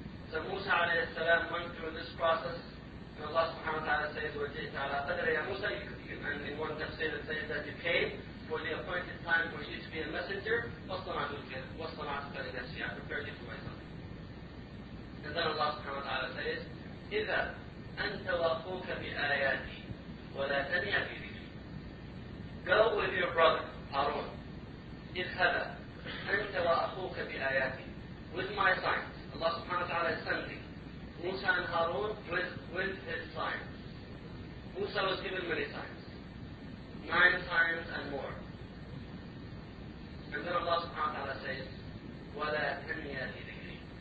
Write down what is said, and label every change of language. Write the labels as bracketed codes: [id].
[en] So Musa alayhi salam went through this process, and Allah subhanahu wa ta'ala says, [ar] وَجِئْتَ عَلَىٰ قَدْرِ يَا مُوسَىٰ [en] And in one tafsir it says that you came for the appointed time for you to be a messenger, [ar] وَاصْطَنَعْتُكَ لِنَفْسِي [en] I prepared you for myself. And then Allah subhanahu wa ta'ala says, [ar] إِذَا أَنْتَ وَأَخُوكَ بِآيَاتِي وَلَا تَنِيَ فِي ذِكْرِي [en] Go with your brother, Harun. [ar] إِذْهَبَا أَنْتَ وَأَخُوكَ بِآيَاتِي [en] With my signs. Allah subhanahu wa ta'ala is sending Musa and Harun with his signs. Musa himself was given many times. 9 times and more. And then Allah subhanahu wa ta'ala says, [ar] وَلَا تَنِيَا لِذِكْرِي.